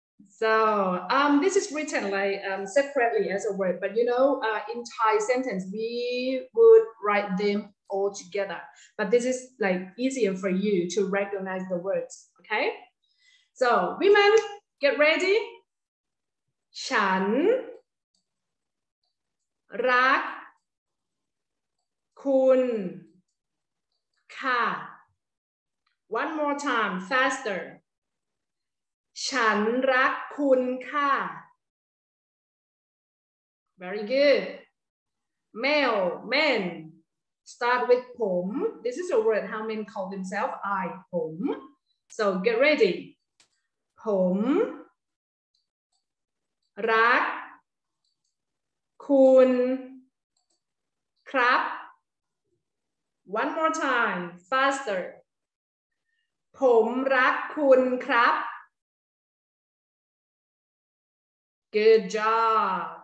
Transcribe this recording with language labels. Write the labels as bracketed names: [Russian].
[English] So this is written like separately as a word, but you know, in Thai sentence, we would write them all together. But this is like easier for you to recognize the words, okay? So women, get ready. [Thai] ฉันรักคุณค่ะ [English] One more time, faster. [Thai] ฉันรักคุณค่ะ [English] Very good. Male, men. Start with ผม This is a word how men call themselves. I, ผม So get ready. [Thai] ผมรักคุณครับ [English] One more time. Faster. [Thai] ผมรักคุณครับ [English] Good job.